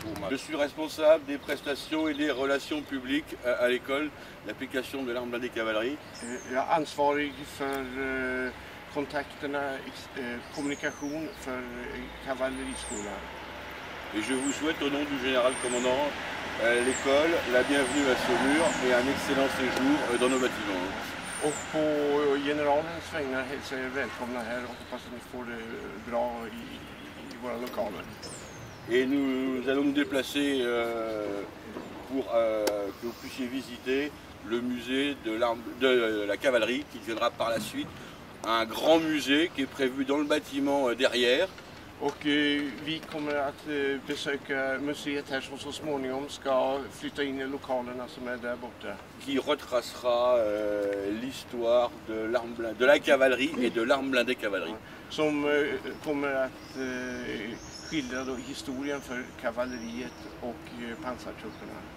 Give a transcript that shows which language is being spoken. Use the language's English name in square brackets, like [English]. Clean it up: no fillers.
[French] Je suis responsable des prestations et des relations publiques à l'école, l'application de l'arme blindée cavalerie. [Swedish] Jag är ansvarig för kontakterna, kommunikation för kavalleriskolan. [French] Et je vous souhaite au nom du général commandant l'école, la bienvenue à Saumur et un excellent séjour dans nos bâtiments. [Swedish] Och på generalens vägnar hälsar jag välkomna här och hoppas att ni får det bra i våra lokaler. [French] Et nous allons nous déplacer pour que vous puissiez visiter le musée de l'arme de la cavalerie qui deviendra par la suite un grand musée qui est prévu dans le bâtiment derrière. [Swedish] Och vi kommer att besöka museet här som så småningom ska flytta in i lokalerna som är där borta. [French] Qui retracera l'histoire de l'arme de la cavalerie et de l'arme blindée cavalerie. [Swedish] Som kommer att skildra då historien för kavalleriet och pansartrupperna.